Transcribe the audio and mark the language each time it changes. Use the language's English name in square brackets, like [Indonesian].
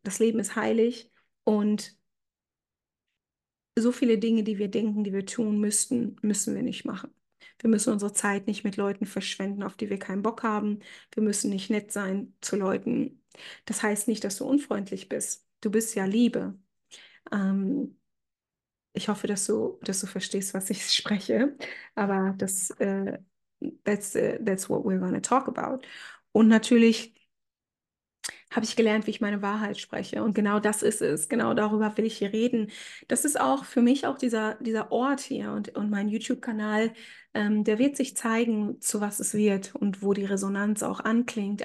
[German] Das Leben ist heilig und so viele Dinge, die wir denken, die wir tun müssten, müssen wir nicht machen. Wir müssen unsere Zeit nicht mit Leuten verschwenden, auf die wir keinen Bock haben. Wir müssen nicht nett sein zu Leuten. Das heißt nicht, dass du unfreundlich bist. Du bist ja Liebe. Ich hoffe, dass du verstehst, was ich spreche. [English] Aber that's what we're gonna talk about. [German] Und natürlich habe ich gelernt, wie ich meine Wahrheit spreche. Und genau das ist es. Genau darüber will ich hier reden. Das ist auch für mich auch dieser Ort hier und mein YouTube-Kanal. Der wird sich zeigen, zu was es wird und wo die Resonanz auch anklingt.